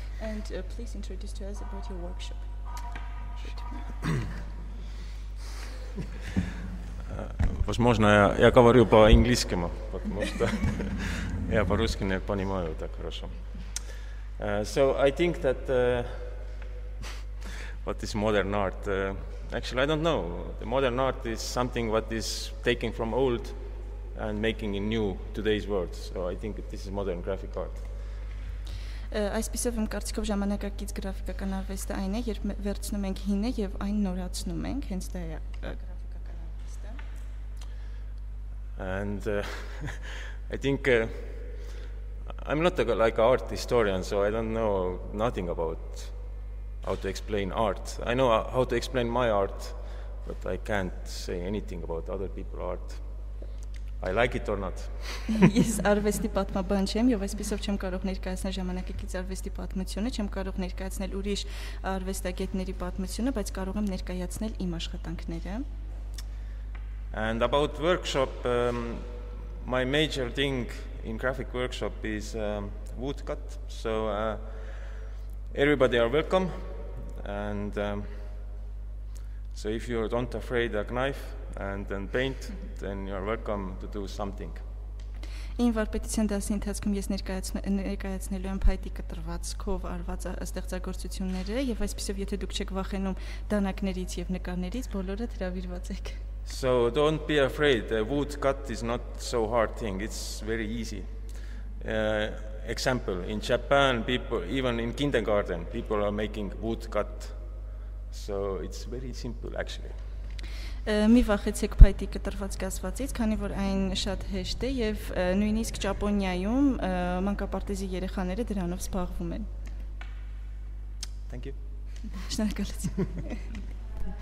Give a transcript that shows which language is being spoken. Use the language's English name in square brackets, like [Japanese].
[English] And please introduce to us about your workshop. [Russian] Возможно, я говорю по-английскому, потому что я по-русски не понимаю так хорошо. [English] So I think that... What is modern art? Actually, I don't know. The modern art is something what is taking from old and making it new today's world. So I think this is modern graphic art. [Armenian] Այսպիսով իմ կարծիքով ժամանակակից գրաֆիկական արվեստը այն է, երբ վերցնում ենք հինը և այն նորացնում ենք, հենց դա է գրաֆիկական արվեստը. [English] And I think I'm not like an art historian, so I don't know nothing about how to explain art. I know how to explain my art, but I can't say anything about other people's art. I like it or not. [Armenian] Ես արվեստի պատմաբան չեմ, եւ այսպեսով չեմ կարող ներկայացնել ժամանակակից արվեստի պատմությունը, չեմ կարող ներկայացնել ուրիշ արվեստագետների պատմությունը, բայց կարող եմ ներկայացնել իմ աշխատանքները. [English] And about workshop, my major thing in graphic workshop is woodcut, so everybody are welcome, and so if you don't afraid a knife and then paint, then you are welcome to do something. [Armenian] Ին վարպետության դասի ընթացքում ես ներկայացնելու եմ փայտի կտրվածքով արված ստեղծագործությունները եւ այսպիսով եթե դուք չեք վախենում դանակներից եւ նկարներից բոլորը հրավիրված եք. [English] So don't be afraid, the wood cut is not so hard thing, it's very easy. Example, in Japan people, even in kindergarten people are making wood cut. So it's very simple actually. [Armenian] Մի վախեցեք փայտի կտրված գազվածից, քանի որ այն շատ հեշտ է եւ նույնիսկ Ճապոնիայում մանկապարտեզի երեխաները դրանով զբաղվում են։ [English] Thank you. [Armenian] Շնորհակալություն։